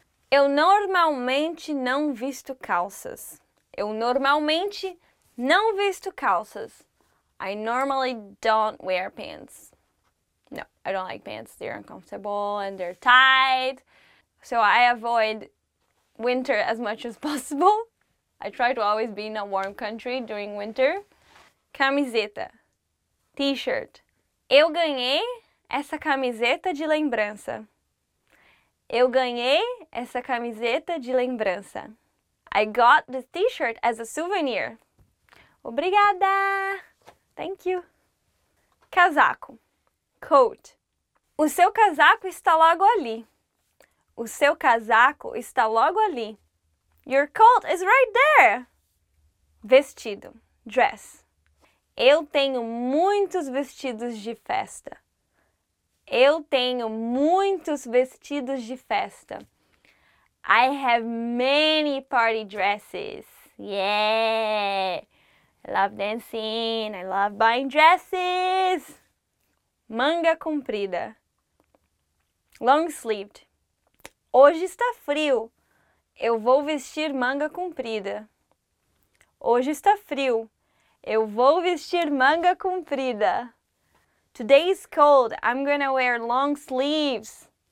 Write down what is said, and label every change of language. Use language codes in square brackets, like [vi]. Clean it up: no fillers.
[pt] Eu normalmente não visto calças. Eu normalmente não visto calças. [en] I normally don't wear pants. No, I don't like pants. They're uncomfortable and they're tight. So I avoid winter as much as possible. I try to always be in a warm country during winter. [pt] Camiseta. [en] T-shirt. [pt] Eu ganhei essa camiseta de lembrança. Eu ganhei essa camiseta de lembrança. [en] I got this T-shirt as a souvenir. [pt] Obrigada! [en] Thank you. [pt] Casaco. [en] Coat. [pt] O seu casaco está logo ali. O seu casaco está logo ali. [en] Your coat is right there. [pt] Vestido. [en] Dress. [pt] Eu tenho muitos vestidos de festa. Eu tenho muitos vestidos de festa. [en] I have many party dresses. Yeah! I love dancing. I love buying dresses. [pt] Manga comprida. [en] Long sleeved. [pt] Hoje está frio. Eu vou vestir manga comprida. Hoje está frio. Eu vou vestir manga comprida. [en] Today is cold. I'm gonna wear long sleeves.